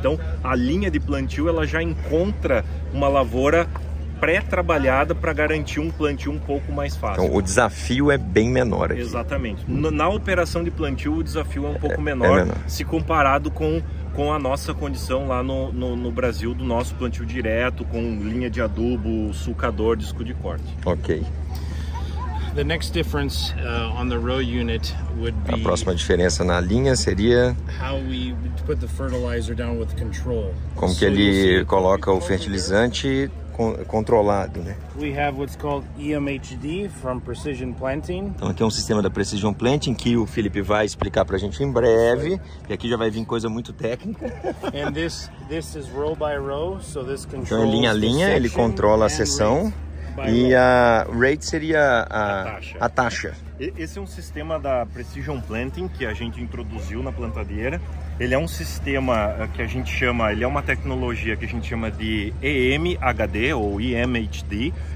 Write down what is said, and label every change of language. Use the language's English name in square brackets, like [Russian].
[Portuguese] Então, a linha de plantio ela já encontra uma lavoura pré-trabalhada para garantir um plantio um pouco mais fácil. Então, o desafio é bem menor aqui. Exatamente. Na operação de plantio, o desafio é um pouco menor. Se comparado com a nossa condição lá no Brasil, do nosso plantio direto, com linha de adubo, sulcador, disco de corte. Ok. [English] The next difference, on the row unit would be [Portuguese] a próxima diferença na linha seria [English] how we put the fertilizer down with control. [Portuguese] Como que ele coloca o fertilizante controlado, né? [English] We have what's called EMHD from Precision Planting. [Portuguese] Então aqui é um sistema da Precision Planting que o Felipe vai explicar pra gente em breve, e aqui já vai vir coisa muito técnica. [English] And this is row by row, so this controls. [Portuguese] Então, linha a linha, ele controla a seção. E a rate seria a taxa. Esse é um sistema da Precision Planting que a gente introduziu na plantadeira. Ele é um sistema que a gente chama, ele é uma tecnologia que a gente chama de EMHD ou EMHD.